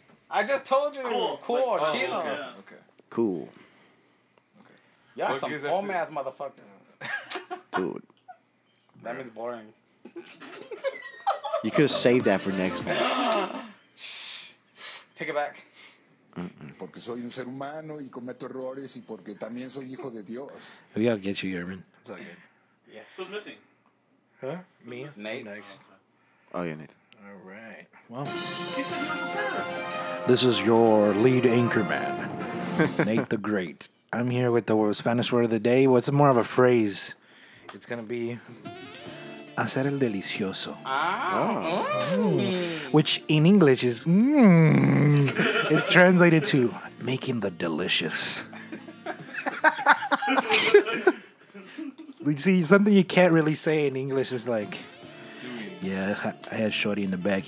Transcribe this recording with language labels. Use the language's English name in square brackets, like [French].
[English] I just told you. Cool. Like, chino. Okay. Okay. Cool. Okay. Y'all some home ass motherfuckers. Dude. That means boring. You could have saved that for next time. Take it back. [Spanish] Porque soy un ser humano y cometo errores y porque también soy hijo de Dios. [English] We gotta get you, Herman. It's okay. Yeah. Who's missing? Huh? Me? Nate. Next. Oh, yeah, Nate. Alright. Well, this is your lead anchor man, Nate the Great. I'm here with the Spanish word of the day. What's more of a phrase? It's gonna be hacer el delicioso. Which in English is it's translated to making the delicious. See, something you can't really say in English is like, yeah, I had shorty in the back.